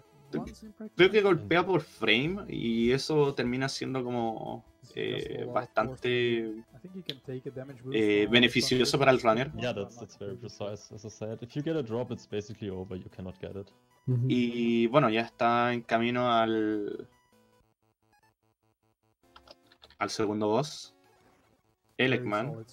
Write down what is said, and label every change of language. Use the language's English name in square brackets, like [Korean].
[Spanish] Creo que golpea por frame y eso termina siendo como bastante beneficioso para el runner. [English] Yeah, that's very precise. As I said, if you get a drop, it's basically over. You cannot get it. [Spanish] Y bueno, ya está en camino al segundo boss, Elecman.